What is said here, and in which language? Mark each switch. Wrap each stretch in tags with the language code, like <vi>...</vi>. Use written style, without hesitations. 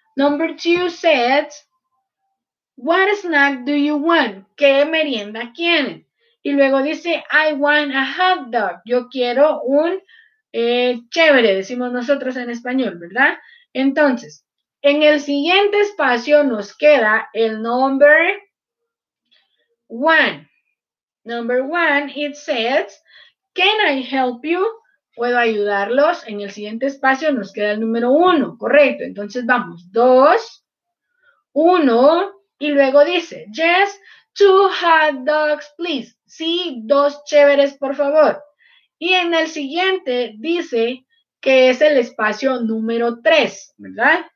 <en>Number two says, what snack do you want?</en> <es>¿Qué merienda quieren? Y luego dice,</es> <en>I want a hot dog.</en> <es>Yo quiero un chévere, decimos nosotros en español, ¿verdad? Entonces, en el siguiente espacio nos queda el</es> <en>number one. Number one, it says, can I help you?</en> <es>¿Puedo ayudarlos? En el siguiente espacio nos queda el número uno, correcto. Entonces vamos, dos, uno, y luego dice,</es> <en>yes, two hot dogs, please.</en> <es>Sí, dos chéveres, por favor. Y en el siguiente dice que es el espacio número tres, ¿verdad?</es>